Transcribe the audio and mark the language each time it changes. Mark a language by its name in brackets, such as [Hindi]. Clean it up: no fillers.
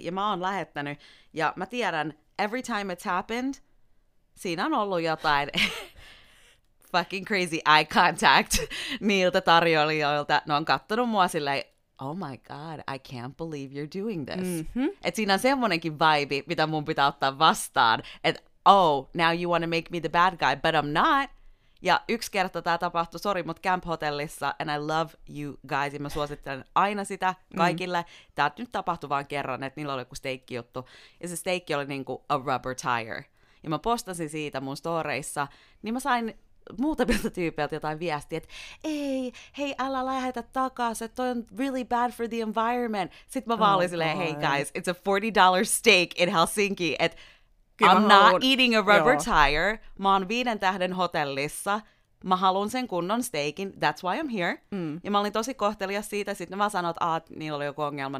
[Finnish] Ja mä oon lähettänyt, ja mä tiedän, [English] every time it's happened, [Finnish] siinä on ollut jotain [English] fucking crazy eye contact [Finnish] niiltä tarjoilijoilta. Ne on kattonut mua silleen, [English] oh my god, I can't believe you're doing this. Mm-hmm. [Finnish] Et siinä on semmonenkin vibe, mitä mun pitää ottaa vastaan, että [English] oh, now you want to make me the bad guy, but I'm not. [Finnish] Ja yksi kerta tämä tapahtui, sorry, mutta Camp Hotellissa, [English] and I love you guys, [Finnish] ja mä suosittelen aina sitä kaikille. Mm. Tämä nyt tapahtui vaan kerran, että niillä oli joku steikki juttu, ja se steikki oli niinku [English] a rubber tire. [Finnish] Ja mä postasin siitä mun storeissa, niin mä sain muutamilta tyypeiltä jotain viestiä, että ei, hei, älä lähetä takaisin, että toi on [English] really bad for the environment. [Finnish] Sitten mä vaan olin silleen, [English] hey guys, it's a $40 steak in Helsinki, et I'm not eating a rubber tire. [Finnish] Mä oon 5 tähden hotellissa. Mä haluun sen kunnon steikin. [English] That's why I'm here. [Finnish] Mm. Ja mä olin tosi kohtelias siitä. Sitten mä sanoin, että niillä oli joku ongelma.